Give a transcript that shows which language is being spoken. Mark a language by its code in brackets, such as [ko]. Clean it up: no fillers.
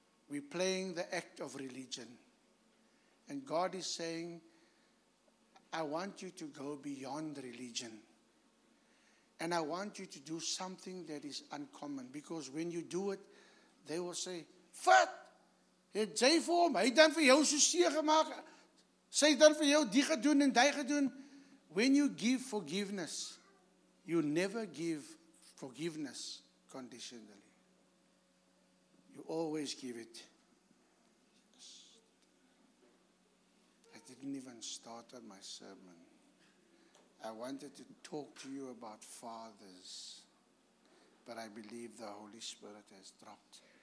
[en] We're playing the act of religion. And God is saying, I want you to go beyond religion. And I want you to do something that is uncommon. Because when you do it, they will say, "Fat!" [af] Het jy vir hom, hy het dan vir jou so seer gemaak, sy het dan vir jou die gedoen en die gedoen. [en] When you give forgiveness, you never give forgiveness conditionally. You always give it. I didn't even start on my sermon. I wanted to talk to you about fathers, but I believe the Holy Spirit has dropped.